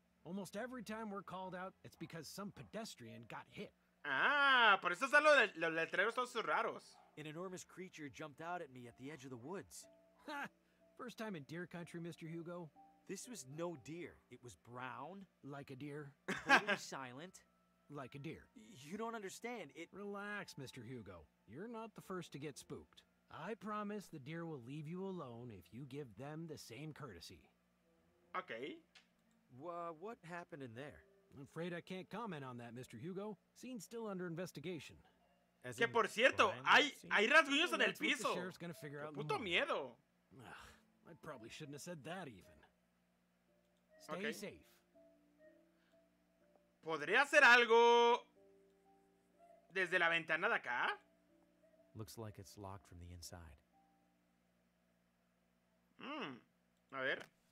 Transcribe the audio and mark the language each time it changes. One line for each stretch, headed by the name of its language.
English: Almost every time we're called out, it's because some pedestrian got hit.
Spanish: Ah, por eso están los letreros todos raros.
English: An enormous creature jumped out at me at the edge of the woods. Ha! First time in deer country, Mr. Hugo. This was no deer. It was brown. Like a deer. Totally silent. Like a deer. You don't understand. It... Relax, Mr. Hugo. You're not the first to get spooked. I promise the deer will leave you alone if you give them the same courtesy. Okay. What happened in there? I'm afraid I can't comment on that, Mr. Hugo. Scene's still under investigation.
Spanish: As que, in por cierto, hay rasguños en el piso.
English: The sheriff's gonna figure
Spanish: qué
English: out
Spanish: puto miedo.
English: Ugh, I probably shouldn't have said that, even. Okay. Stay safe.
Spanish: ¿Podría hacer algo desde la ventana de acá?
English: Looks like it's locked from the inside.
Spanish: A ver.